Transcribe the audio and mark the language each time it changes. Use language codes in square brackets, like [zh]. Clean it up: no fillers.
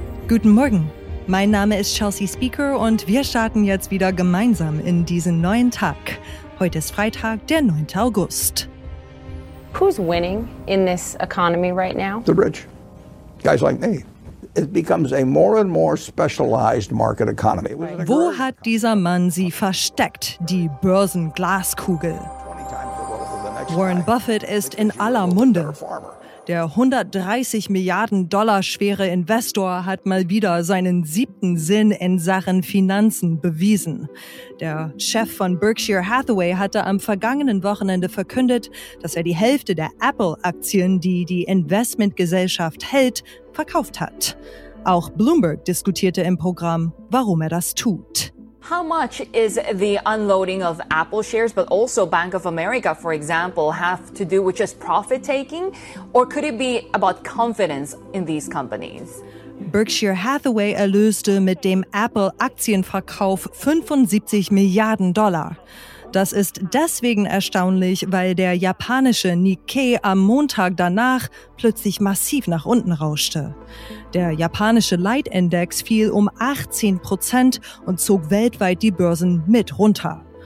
[de] Guten Morgen, mein Name ist Chelsea Speaker und wir starten jetzt wieder gemeinsam in diesen neuen Tag. Heute ist Freitag, der 9. August. [en] Who's winning in this economy right now? The rich. Guys like me. It becomes a more and more specialized market economy. [de] Wo hat dieser Mann sie versteckt, die Börsenglaskugel? Warren Buffett ist in aller Munde. Der 130 Milliarden Dollar schwere Investor hat mal wieder seinen siebten Sinn in Sachen Finanzen bewiesen. Der Chef von Berkshire Hathaway hatte am vergangenen Wochenende verkündet, dass er die Hälfte der Apple-Aktien, die die Investmentgesellschaft hält, verkauft hat. Auch Bloomberg diskutierte im Programm, warum er das tut. [en] How much is the unloading of Apple shares, but also Bank of America, for example, have to do with just profit taking? Or could it be about confidence in these companies? [de] Berkshire Hathaway erlöste mit dem Apple-Aktienverkauf 75 Milliarden Dollar. Das ist deswegen erstaunlich, weil der japanische Nikkei am Montag danach plötzlich massiv nach unten rauschte. Der japanische Leitindex fiel um 18% und zog weltweit die Börsen mit runter.